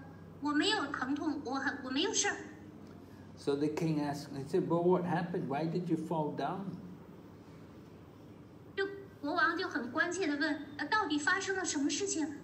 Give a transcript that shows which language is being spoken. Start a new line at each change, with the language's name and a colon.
Chinese: 穆昆达说，我没有疼痛，我没有事。
English: So the king asked, he said, Well, what happened? Why did you fall down?
Chinese: 国王就很关切地问，到底发生了什么事情？